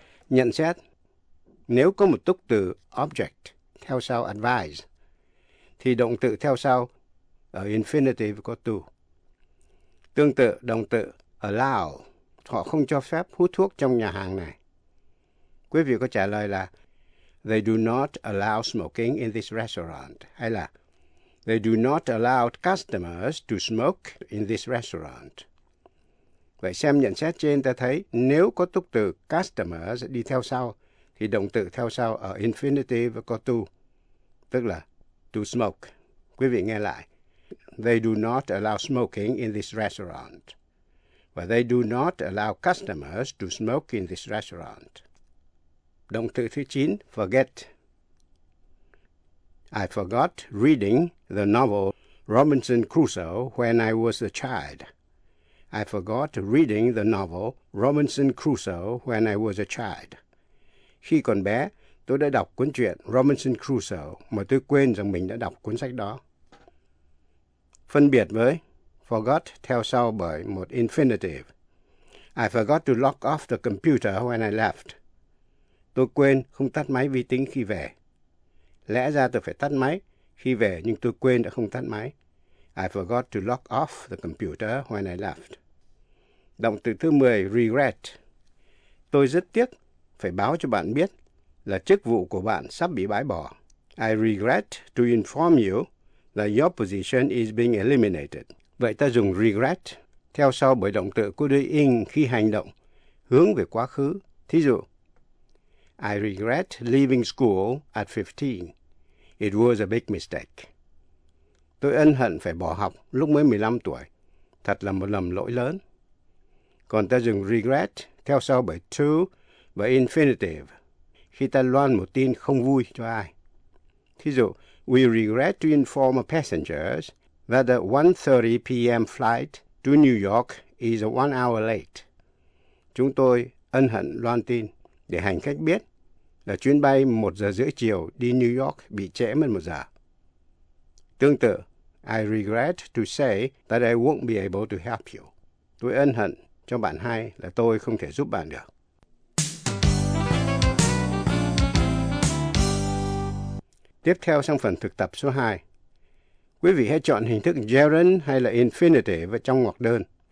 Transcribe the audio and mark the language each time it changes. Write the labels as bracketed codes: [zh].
[vi] Nhận xét, nếu có một túc từ object theo sau advise, thì động từ theo sau ở infinitive có to. Tương tự, động từ allow. Họ không cho phép hút thuốc trong nhà hàng này. Quý vị có trả lời là [en] they do not allow smoking in this restaurant. [vi] Hay là [en] they do not allow customers to smoke in this restaurant. [vi] Vậy xem nhận xét trên ta thấy nếu có túc từ customers đi theo sau thì động từ theo sau ở infinitive có to, tức là to smoke. Quý vị nghe lại. [en] They do not allow smoking in this restaurant. But they do not allow customers to smoke in this restaurant. [vi] Động từ thứ 9, forget. [en] I forgot reading the novel Robinson Crusoe when I was a child. I forgot reading the novel Robinson Crusoe when I was a child. [vi] Khi còn bé, tôi đã đọc cuốn truyện Robinson Crusoe mà tôi quên rằng mình đã đọc cuốn sách đó. Phân biệt với forgot theo sau bởi một infinitive. [en] I forgot to lock off the computer when I left. [vi] Tôi quên không tắt máy vi tính khi về. Lẽ ra tôi phải tắt máy khi về, nhưng tôi quên đã không tắt máy. [en] I forgot to lock off the computer when I left. [vi] Động từ thứ 10, regret. Tôi rất tiếc phải báo cho bạn biết là chức vụ của bạn sắp bị bãi bỏ. [en] I regret to inform you that your position is being eliminated. [vi] Vậy ta dùng regret theo sau bởi động từ của đuôi ing khi hành động, hướng về quá khứ. Thí dụ, [en] I regret leaving school at 15. It was a big mistake. [vi] Tôi ân hận phải bỏ học lúc mới 15 tuổi. Thật là một lầm lỗi lớn. Còn ta dùng regret theo sau bởi to và infinitive khi ta loan một tin không vui cho ai. Thí dụ, [en] we regret to inform passengers that the 1:30 p.m. flight to New York is 1 hour late. [vi] Chúng tôi ân hận loan tin để hành khách biết là chuyến bay 1 giờ rưỡi chiều đi New York bị trễ mất 1 giờ. Tương tự, [en] I regret to say that I won't be able to help you. [vi] Tôi ân hận cho bạn hay là tôi không thể giúp bạn được. Tiếp theo sang phần thực tập số 2. Quý vị hãy chọn hình thức gerund hay là infinitive trong ngoặc đơn.